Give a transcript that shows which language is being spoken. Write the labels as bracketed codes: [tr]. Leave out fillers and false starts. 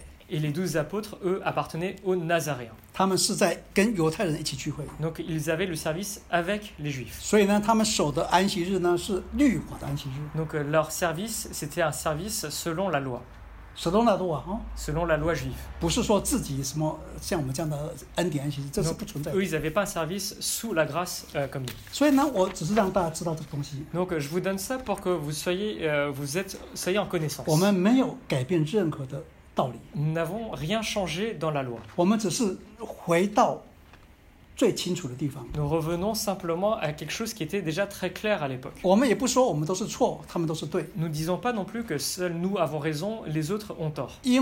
[fr] et les douze apôtres, eux, appartenaient aux Nazaréens. [zh] 他们是在跟犹太人一起聚会。 [fr] Donc ils avaient le service avec les Juifs. [zh] 所以呢，他们守的安息日呢是律法的安息日。 [fr] Donc leur service c'était un service selon la loi. Selon la loi, hein? Selon la loi juive. [zh] 不是说自己什么像我们这样的恩典安息日，这是不存在的。 [fr] Eux ils n'avaient pas un service sous la grâce comme nous. [zh] 所以呢，我只是让大家知道这个东西。 [fr] Donc je vous donne ça pour que vous soyez, soyez en connaissance. [zh] 我们没有改变任何的。 [fr] Nous n'avons rien changé dans la loi. Nous revenons simplement à quelque chose qui était déjà très clair à l'époque. Nous ne disons pas non plus que seuls nous avons raison, les autres ont tort.